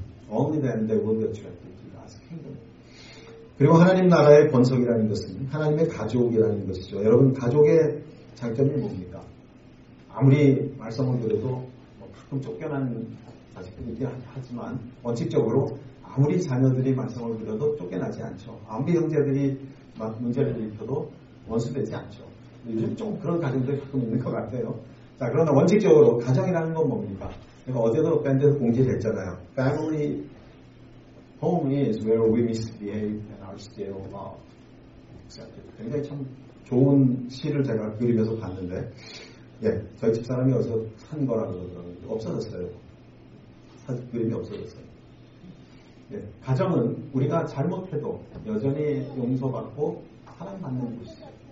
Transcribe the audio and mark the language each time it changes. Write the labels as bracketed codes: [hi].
[en] Only then they will be attractive to God's kingdom. [ko] 그리고 하나님 나라의 번성이라는 것은 하나님의 가족이라는 것이죠. 여러분 가족의 장점이 뭡니까? 아무리 말썽을 부려도 뭐 가끔 쫓겨나는 아직도 있긴 하지만 원칙적으로 아무리 자녀들이 말썽을 부려도 쫓겨나지 않죠. 아무리 형제들이 막 문제를 일으켜도 원수되지 않죠. 좀 그런 가정들이 가끔 있는 것 같아요. 자, 그러나 원칙적으로 가정이라는 건 뭡니까? 제가 어제도 밴드에서 공지를 했잖아요. [en] Family, home is where we misbehave and are still loved. [ko] 굉장히 참 좋은 시를 제가 그리면서 봤는데, 예, 저희 집사람이 어디서 산 거라 그러더라고요. 없어졌어요. 그림이 없어졌어요. 예, 가정은 우리가 잘못해도 여전히 용서받고 사랑받는 곳이죠.